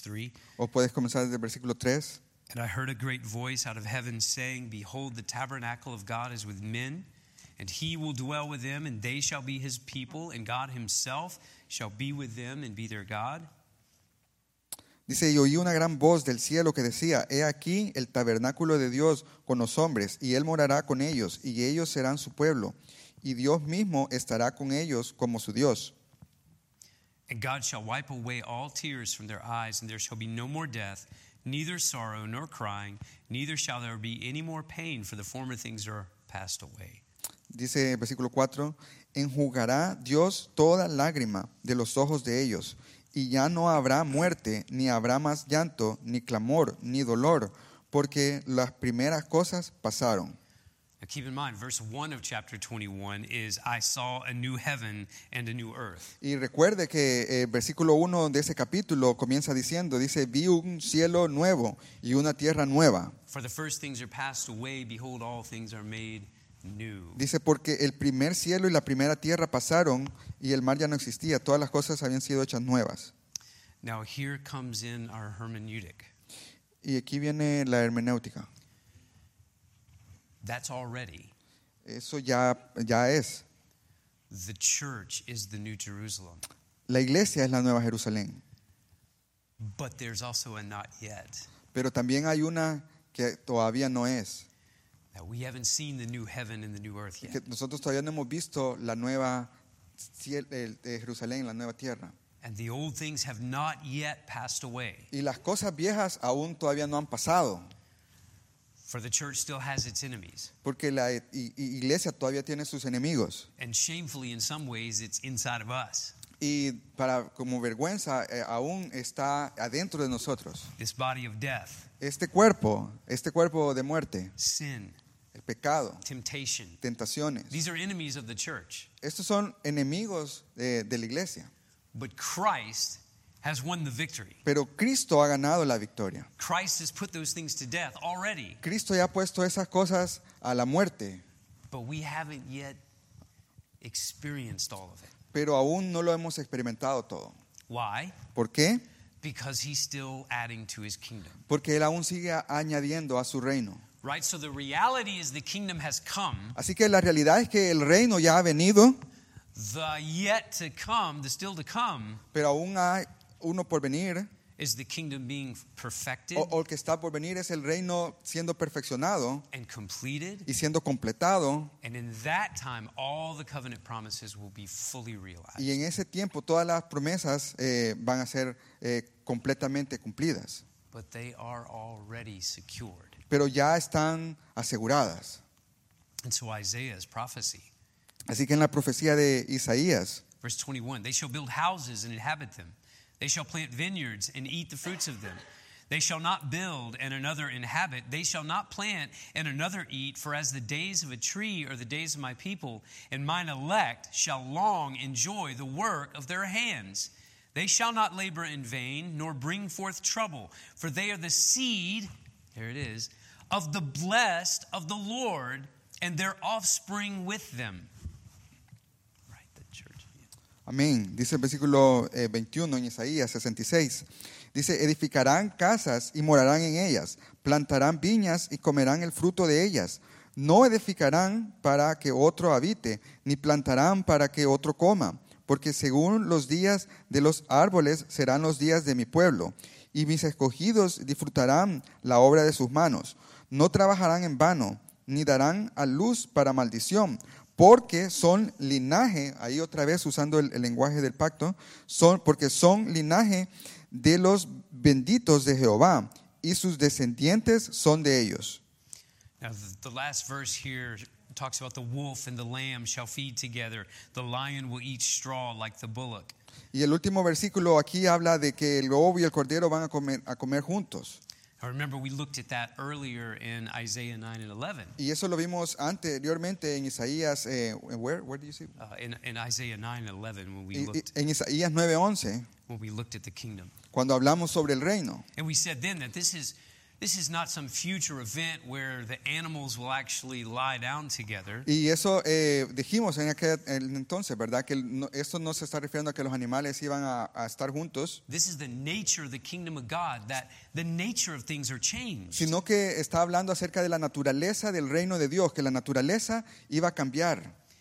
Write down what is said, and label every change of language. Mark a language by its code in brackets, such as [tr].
[es] 3. O puedes comenzar desde el versículo 3. [en] And I heard a great voice out of heaven saying, behold, the tabernacle of God is with men, and he will dwell with them, and they shall be his people, and God himself shall be with them and be their God. [es] Dice, y oí una gran voz del cielo que decía, he aquí el tabernáculo de Dios con los hombres, y él morará con ellos, y ellos serán su pueblo, y Dios mismo estará con ellos como su Dios. [en] And God shall wipe away all tears from their eyes, and there shall be no more death, neither sorrow nor crying, neither shall there be any more pain, for the former things are passed away. [es] Dice en versículo 4, enjugará Dios toda lágrima de los ojos de ellos, y ya no habrá muerte, ni habrá más llanto, ni clamor, ni dolor, porque las primeras cosas pasaron. [en] Now keep in mind, verse 1 of chapter 21 is, I saw a new heaven and a new earth. [es] Y recuerde que el versículo 1 de ese capítulo comienza diciendo, dice, vi un cielo nuevo y una tierra nueva. [en] For the first things are passed away, behold, all things are made new. [es] Dice, porque el primer cielo y la primera tierra pasaron y el mar ya no existía. Todas las cosas habían sido hechas nuevas. [en] Now here comes in our hermeneutic. [es] Y aquí viene la hermenéutica. [en] That's already. [es] Eso ya es. [en] The church is the new Jerusalem. [es] La iglesia es la nueva Jerusalén. [en] But there's also a not yet. [es] Pero también hay una que todavía no es. [en] That we haven't seen the new heaven and the new earth yet. [es] Nosotros todavía no hemos visto la nueva Jerusalén, la nueva tierra. [en] And the old things have not yet passed away. [es] Y las cosas viejas aún todavía no han pasado. [en] For the church still has its enemies. [es] Porque la iglesia todavía tiene sus enemigos. [en] And shamefully, in some ways, it's inside of us. [es] Y para como vergüenza aún está adentro de nosotros. [en] This body of death. [es] Este cuerpo de muerte. [en] Sin. [es] El pecado. [en] Temptation. [es] Tentaciones. [en] These are enemies of the church. [es] Estos son enemigos de la iglesia. [en] But Christ has won the victory. [es] Pero Cristo ha ganado la victoria. [en] Christ has put those things to death already. [es] Cristo ya ha puesto esas cosas a la muerte. [en] But we haven't yet experienced all of it. [es] Pero aún no lo hemos experimentado todo. [en] Why? [es] ¿Por qué? [en] Because he's still adding to his kingdom. [es] Porque él aún sigue añadiendo a su reino. [en] Right, so the reality is the kingdom has come. [es] Así que la realidad es que el reino ya ha venido. [en] The yet to come, the still to come. [es] Pero aún hay uno por venir. [en] is the kingdom being perfected [es] o el que está por venir es el reino siendo perfeccionado [en] and completed [es] y siendo completado [en] and in that time all the covenant promises will be fully realized [es] y en ese tiempo todas las promesas van a ser completamente cumplidas [en] but they are already secured [es] pero ya están aseguradas [en] and so Isaiah's prophecy [es] así que en la profecía de Isaías [en] verse 21 they shall build houses and inhabit them They shall plant vineyards and eat the fruits of them. They shall not build and another inhabit. They shall not plant and another eat. For as the days of a tree are the days of my people, and mine elect shall long enjoy the work of their hands. They shall not labor in vain, nor bring forth trouble. For they are the seed, there it is, of the blessed of the Lord and their offspring with them. [es] Amén. Dice el versículo 21 en Isaías 66. Dice, edificarán casas y morarán en ellas, plantarán viñas y comerán el fruto de ellas. No edificarán para que otro habite, ni plantarán para que otro coma, porque según los días de los árboles serán los días de mi pueblo, y mis escogidos disfrutarán la obra de sus manos. No trabajarán en vano, ni darán a luz para maldición, porque son linaje, ahí otra vez usando el lenguaje del pacto, porque son linaje de los benditos de Jehová, y sus descendientes son de ellos. [en] Now the last verse here talks about the wolf and the lamb shall feed together, the lion will eat straw like the bullock. [es] Y el último versículo aquí habla de que el lobo y el cordero van a comer juntos. [en] I remember we looked at that earlier in Isaiah 9 and 11. [es] Y eso lo vimos anteriormente en Isaías, [en] where do you see? In Isaiah 9 and 11 when we looked. [es] En Isaías 9 y 11. [en] When we looked at the kingdom. [es] Cuando hablamos sobre el reino. [en] And we said then that this is not some future event where the animals will actually lie down together. [es] Y eso dijimos en aquel entonces, ¿verdad? Que esto no se está refiriendo a que los animales iban a estar juntos. [en] This is the nature of the kingdom of God, that the nature of things are changed. [es] Sino que está hablando acerca de la naturaleza del reino de Dios, que la naturaleza iba a cambiar.